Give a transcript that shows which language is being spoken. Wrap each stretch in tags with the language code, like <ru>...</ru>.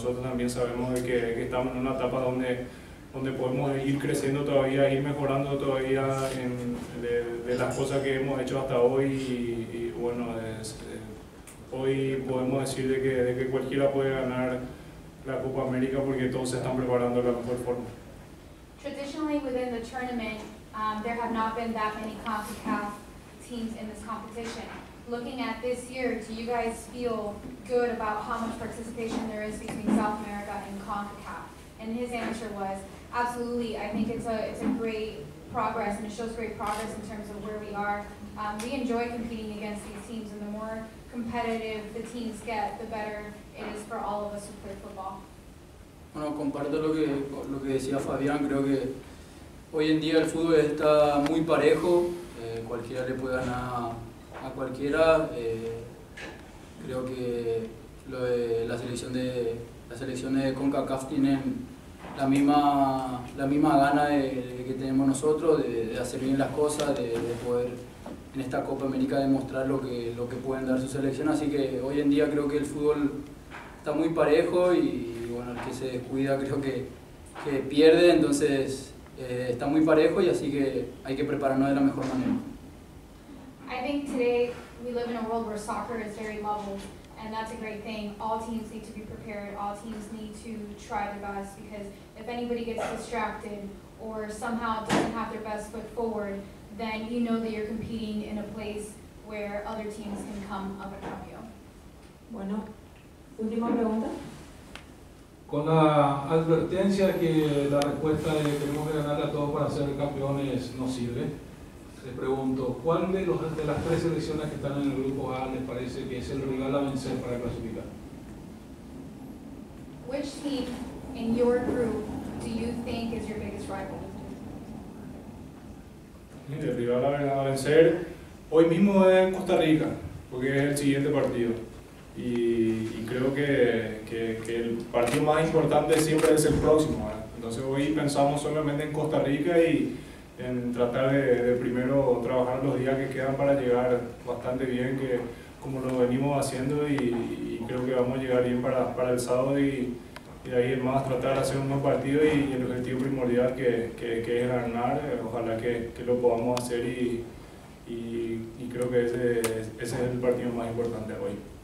<es>Nosotros también sabemos de que estamos en una etapa donde podemos ir creciendo todavía, ir mejorando todavía de las cosas que hemos hecho hasta hoy y bueno, hoy podemos decir de que cualquiera puede ganar la Copa América porque todos se están preparando de la mejor forma.</es> <en>Traditionally within the tournament, there have not been that many CONCACAF teams in this competition. Looking at this year, do you guys feel good about how much participation there is between South America and CONCACAF? And his answer was, absolutely, I think it's a great progress and it shows great progress in terms of where we are. We enjoy competing against these teams and the more competitive the teams get, the better it is for all of us who play football.</en> <es>Bueno, comparto lo que decía Fabián, creo que hoy en día el fútbol está muy parejo, cualquiera le puede ganar a cualquiera, creo que las selecciones de CONCACAF tienen la misma gana de que tenemos nosotros, de hacer bien las cosas, de poder en esta Copa América demostrar lo que pueden dar su selección, así que hoy en día creo que el fútbol está muy parejo y bueno, el que se descuida creo que pierde, entonces está muy parejo y así que hay que prepararnos de la mejor manera.</es> <en>I think today we live in a world where soccer is very leveled and that's a great thing. All teams need to be prepared, all teams need to try their best because if anybody gets distracted or somehow doesn't have their best foot forward, then you know that you're competing in a place where other teams can come up and help you.</en> <es>Bueno, última pregunta. Con la advertencia que la respuesta de tenemos que ganar a todos para ser campeones no sirve, les pregunto, ¿cuál de, los, de las tres selecciones que están en el grupo A les parece que es el rival a vencer para clasificar?</es> <en>Which team in your group do you think is your biggest rival?</en> <es>El rival a vencer hoy mismo es Costa Rica, porque es el siguiente partido. Y creo que el partido más importante siempre es el próximo, ¿eh? Entonces hoy pensamos solamente en Costa Rica y en tratar de primero trabajar los días que quedan para llegar bastante bien, que como lo venimos haciendo, y creo que vamos a llegar bien para el sábado y ahí es más tratar de hacer un buen partido y el objetivo primordial que es ganar, ojalá que lo podamos hacer y creo que ese es el partido más importante hoy.</es>